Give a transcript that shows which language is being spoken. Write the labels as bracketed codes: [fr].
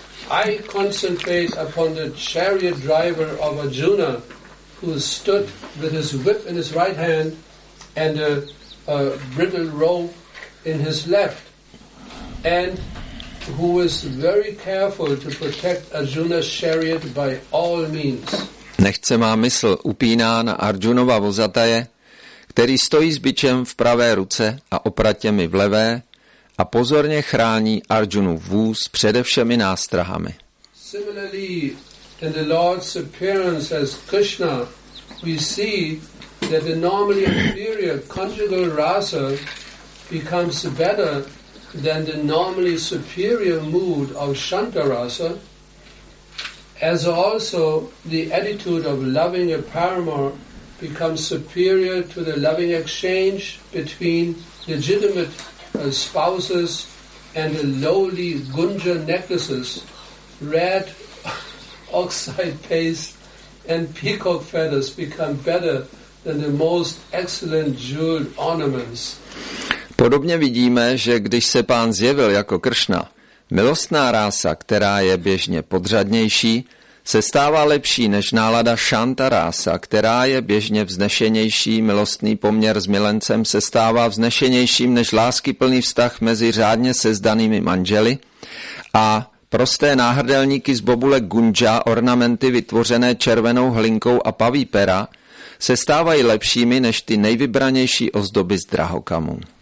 [en] I concentrate upon the chariot driver of Arjuna, who stood with his whip in his right hand and a bridle robe in his left, and who was very careful to protect Arjuna's chariot by all means. [cs] Nechce má mysl upíná na Arjunova vozataje, který stojí s bičem v pravé ruce a opratěmi v levé a pozorně chrání Arjunův vůz přede všemi nástrahami. [en] Similarly, in the Lord's appearance as Krishna, we see that the normally inferior conjugal rasa becomes better than the normally superior mood of Shantarasa, as also the attitude of loving a paramour becomes superior to the loving exchange between legitimate spouses and the lowly gunja necklaces, red oxide paste and peacock feathers become better than the most excellent jeweled ornaments. [cs] Podobně vidíme, že když se pán zjevil jako Kršna, milostná rása, která je běžně podřadnější, se stává lepší než nálada šanta rása, která je běžně vznešenější. Milostný poměr s milencem se stává vznešenějším než láskyplný vztah mezi řádně sezdanými manželi a prosté náhrdelníky z bobule gunja, ornamenty vytvořené červenou hlinkou a paví pera, se stávají lepšími než ty nejvybranější ozdoby z drahokamů.